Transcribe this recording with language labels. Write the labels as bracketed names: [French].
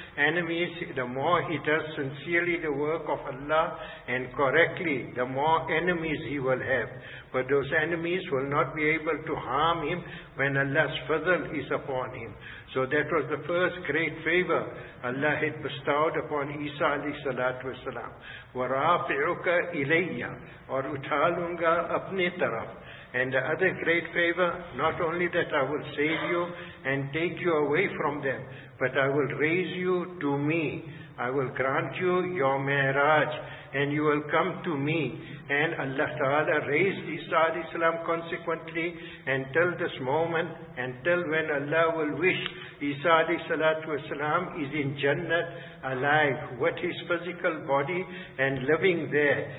[English] Enemies, the more he does sincerely the work of Allah and correctly, the more enemies he will have. But those enemies will not be able to harm him when Allah's fadl is upon him. So that was the first great favor Allah had bestowed upon Isa alayhi salatu wasalam. [Arabic] وَرَافِعُكَ إِلَيَّ [Urdu] اور اُٹھا لوں گا اپنے طرف. [English] And the other great favor, not only that I will save you and take you away from them, but I will raise you to me. I will grant you your mi'raj and you will come to me. And Allah Ta'ala raised Isa alayhi salam consequently until this moment, until when Allah will wish Isa alayhi salatu wasalam is in Jannat alive with his physical body and living there.